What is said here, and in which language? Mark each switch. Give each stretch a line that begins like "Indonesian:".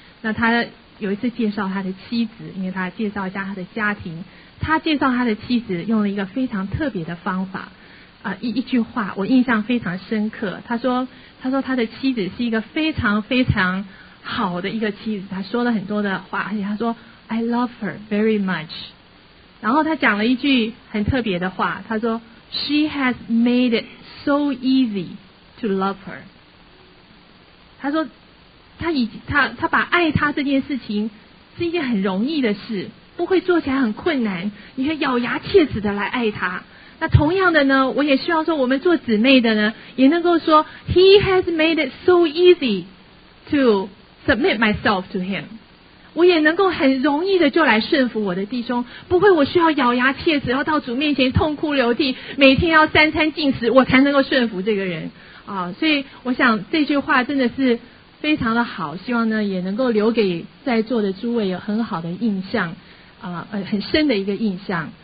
Chinese: 那他有一次介绍他的妻子，因为他介绍一下他的家庭，他介绍他的妻子用了一个非常特别的方法一句话我印象非常深刻。他说他的妻子是一个非常非常好的一个妻子，他说了很多的话，而且他说
English: I love her very much。
Chinese: 然后他讲了一句很特别的话，他说
English: She has made it so easy to love her。
Chinese: 他说他把爱他这件事情是一件很容易的事，不会做起来很困难，你会咬牙切齿的来爱他。那同样的呢，我也希望说我们做姊妹的呢也能够说
English: He has made it so easy to submit myself to him。
Chinese: 我也能够很容易的就来顺服我的弟兄，不会我需要咬牙切齿要到主面前痛哭流涕，每天要三餐进食我才能够顺服这个人啊。所以我想这句话真的是非常的好，希望呢也能够留给在座的诸位有很好的印象很深的一个印象。